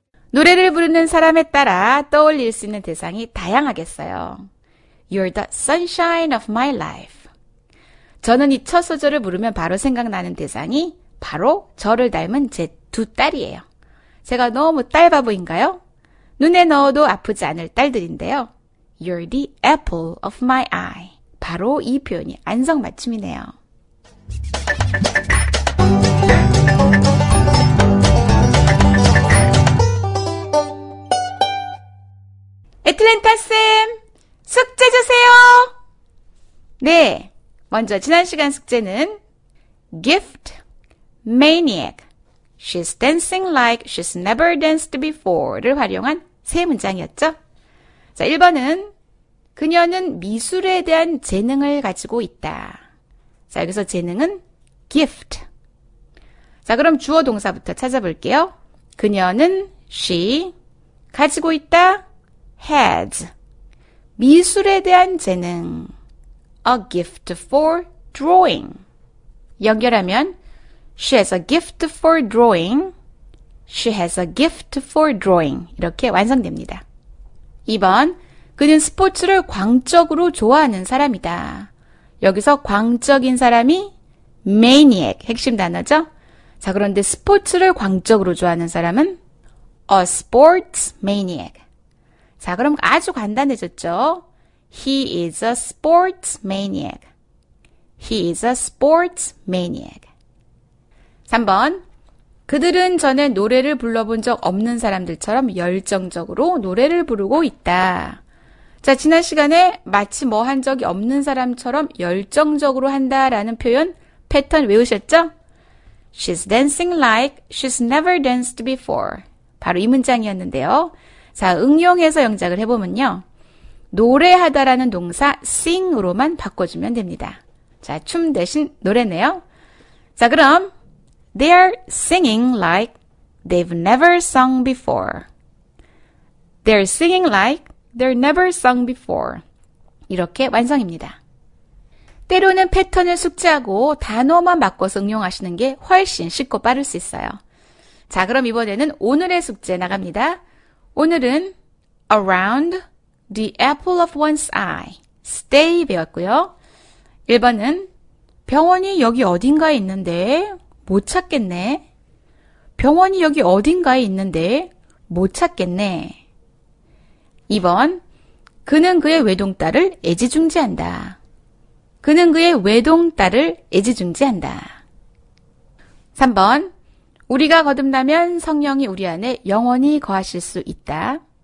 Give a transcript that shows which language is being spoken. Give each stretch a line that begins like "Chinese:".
Korean: 노래를 부르는 사람에 따라 떠올릴 수 있는 대상이 다양하겠어요.
English: You're the sunshine of my life.
Korean: 저는 이 첫 소절을 부르면 바로 생각나는 대상이 바로 저를 닮은 제 두 딸이에요. 제가 너무 딸 바보인가요? 눈에 넣어도 아프지 않을 딸들인데요.
English: You're the apple of my eye.
Korean: 바로 이 표현이 안성맞춤이네요. 애틀랜타 쌤, 숙제 주세요! 네. 먼저 지난 시간 숙제는 Gift Maniac
English: She's dancing like she's never danced before
Korean: 를 활용한 세 문장이었죠. 자, 1번은 그녀는 미술에 대한 재능을 가지고 있다. 자, 여기서 재능은 Gift. 자, 그럼 주어 동사부터 찾아볼게요. 그녀는 she 가지고 있다 has 미술에 대한 재능
English: A gift for drawing.
Korean: 연결하면
English: She has a gift for drawing. She has a gift for drawing.
Korean: 이렇게 완성됩니다. 2번 그는 스포츠를 광적으로 좋아하는 사람이다. 여기서 광적인 사람이 maniac, 핵심 단어죠. 자, 그런데 스포츠를 광적으로 좋아하는 사람은
English: a sports maniac.
Korean: 자, 그럼 아주 간단해졌죠.
English: He is a sports maniac. He is a sports maniac. 3번.
Korean: 그들은 전에 노래를 불러본 적 없는 사람들처럼 열정적으로 노래를 부르고 있다. 자, 지난 시간에 마치 뭐 한 적이 없는 사람처럼 열정적으로 한다라는 표현 패턴 외우셨죠?
English: She's dancing like she's never danced before.
Korean: 바로 이 문장이었는데요. 자, 응용해서 영작을 해보면요. 노래하다라는 동사 sing으로만 바꿔주면 됩니다. 자, 춤 대신 노래네요. 자, 그럼
English: They are singing like they've never sung before. They're singing like they've never sung before.
Korean: 이렇게 완성입니다. 때로는 패턴을 숙지하고 단어만 바꿔서 응용하시는 게 훨씬 쉽고 빠를 수 있어요. 자, 그럼 이번에는 오늘의 숙제 나갑니다. 오늘은
English: around the apple of one's eye,
Korean: stay 배웠고요. 1번은 병원이 여기 어딘가에 있는데 못 찾겠네. 병원이 여기 어딘가에 있는데 못 찾겠네. 2번 그는 그의 외동딸을 애지중지한다. 그는 그의 외동딸을 애지중지한다. 3번 우리가 거듭나면 성령이 우리 안에 영원히 거하실 수 있다.